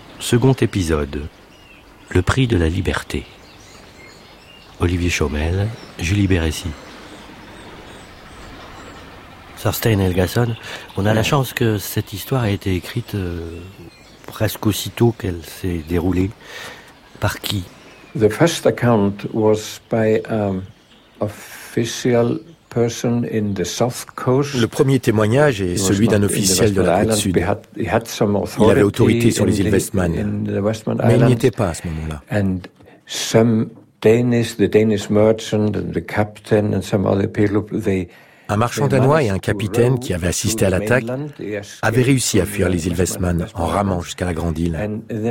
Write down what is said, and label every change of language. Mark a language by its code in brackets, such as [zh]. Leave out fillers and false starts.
[fr] Second épisode. Le prix de la liberté. Olivier Chomel, Julie Béressi. Thorstein Helgason, on a la chance que cette histoire ait été écrite presque aussitôt qu'elle s'est déroulée. Par qui? [en] The first account was by an official person in the south coast. [fr] Le premier témoignage est celui d'un officiel de la côte sud. Il avait autorité sur les îles Westman, mais il n'y était pas à ce moment-là. [en] And some Danish, the Danish merchant and the captain and some other people, they [fr] un marchand danois et un capitaine qui avaient assisté à l'attaque avaient réussi à fuir les îles Westman en ramant jusqu'à la grande île.